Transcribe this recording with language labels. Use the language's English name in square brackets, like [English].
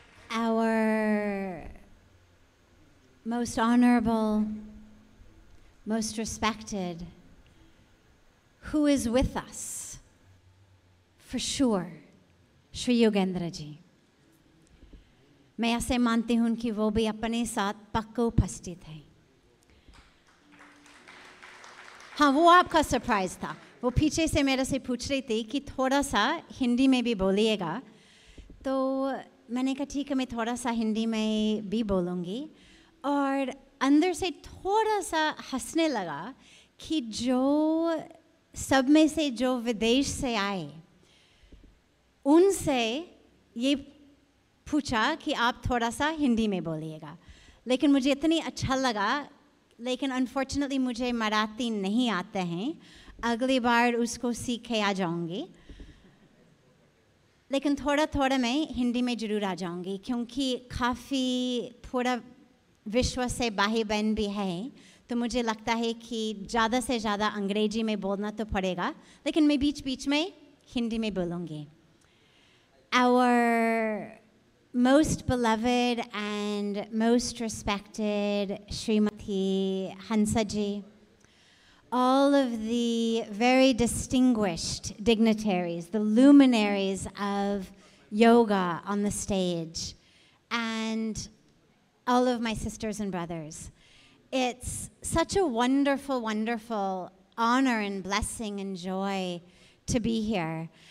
[English] Our most honorable, most respected, who is with us for sure, Sri Yogendra Ji. [Hindi] मैं ऐसे मानती हूँ कि वो भी अपने साथ पक्का उपस्थित हैं। हाँ, वो आपका सरप्राइज था। वो पीछे से मेरे से पूछ रही थी कि थोड़ा सा हिंदी में भी बोलिएगा। तो मैंने कहा ठीक है, मैं थोड़ा सा हिंदी में भी बोलूँगी। और अंदर से थोड़ा सा हंसने लगा कि जो सब में से जो विदेश से आए, उनसे ये पूछा कि आप थोड़ा सा हिंदी में बोलिएगा, लेकिन मुझे इतनी अच्छा लगा, लेकिन अनफॉर्चुनेटली मुझे मराठी नहीं आते हैं, अगली बार उसको सीख के आ जाऊँगी, लेकिन थोड़ा थोड़ा मैं हिंदी में ज़रूर आ जाऊँगी, क्योंकि काफ़ी थोड़ा विश्व से बाहर बहन भी है, तो मुझे लगता है कि ज़्यादा से ज़्यादा अंग्रेजी में बोलना तो पड़ेगा, लेकिन मैं बीच बीच में हिंदी में बोलूँगी. [English] Our most beloved and most respected Srimati Hansaji, all of the very distinguished dignitaries, the luminaries of yoga on the stage, and all of my sisters and brothers, it's such a wonderful, wonderful honor and blessing and joy to be here.